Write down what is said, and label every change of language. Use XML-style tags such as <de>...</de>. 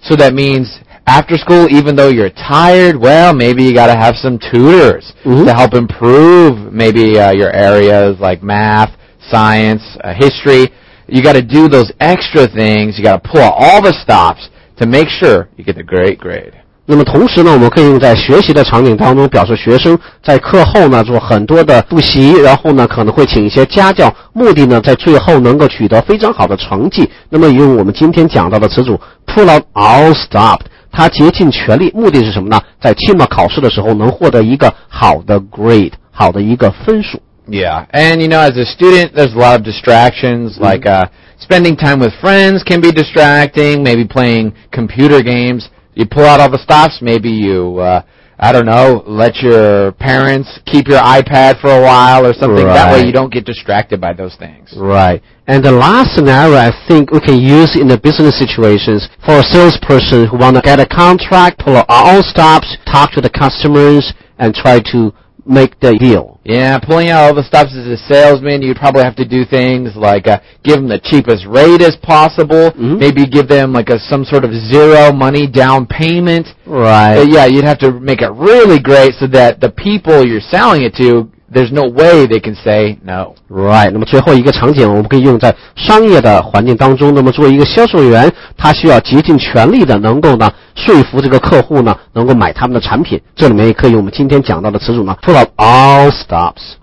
<en>So that means after school, even though you're tired, well, maybe you got to have some tutors to help improve maybe your areas like math, science, history. You got to do those extra things. You got to pull out all the stops to make sure you get the great grade.</en> <zh>那么同时呢，我们可以用在学习的场景当中，表示学生在课后呢做很多的复习，然后呢可能会请一些家教，目的呢在最后能够取得非常好的成绩。那么用我们今天讲到的词组</zh> <en>pull out all stops。</en> <zh>他竭尽全力，目的是什么呢？在期末考试的时候能获得一个好的 grade， 好的一个分数。</zh> <en>Yeah, and you know, as a student, there's a lot of distractions, like spending time with friends can be distracting, maybe playing computer games. You pull out all the stops, maybe you, I don't know, let your parents keep your iPad for a while or something. Right. That way you don't get distracted by those things. Right. And the last scenario I think we can use in the business situations for a salesperson who want to get a contract, pull all stops, talk to the customers, and try to make the deal. Yeah, pulling out all the stops as a salesman, you'd probably have to do things like give them the cheapest rate as possible, maybe give them like some sort of zero money down payment. Right. But yeah, you'd have to make it really great so that the people you're selling it to, there's no way they can say no. Right.</en> <zh>那么最后一个场景我们可以用在商业的环境当中，那么作为一个销售员，他需要竭尽全力的能够呢说服这个客户呢能够买他们的产品，这里面也可以用我们今天讲到的词组呢</zh> <en>pull out all stops.</en>